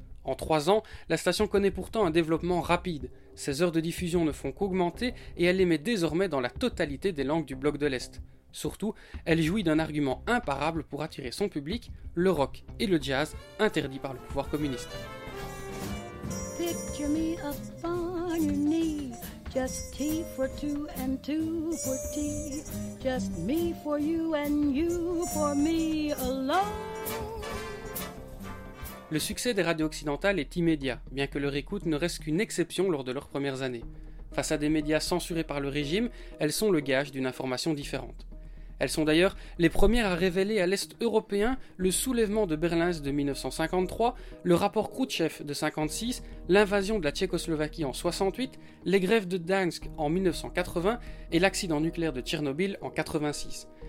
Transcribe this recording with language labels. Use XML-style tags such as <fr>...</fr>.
<fr>En 3 ans, la station connaît pourtant un développement rapide, ses heures de diffusion ne font qu'augmenter et elle émet désormais dans la totalité des langues du bloc de l'Est. Surtout, elle jouit d'un argument imparable pour attirer son public, le rock et le jazz, interdits par le pouvoir communiste.</fr> <en>Picture me up on your knee, just tea for two and two for tea, just me for you and you for me alone.</en> <fr>Le succès des radios occidentales est immédiat, bien que leur écoute ne reste qu'une exception lors de leurs premières années. Face à des médias censurés par le régime, elles sont le gage d'une information différente. Elles sont d'ailleurs les premières à révéler à l'Est européen le soulèvement de Berlin de 1953, le rapport Khrouchtchev de 1956, l'invasion de la Tchécoslovaquie en 1968, les grèves de Gdańsk en 1980 et l'accident nucléaire de Tchernobyl en 1986.</fr>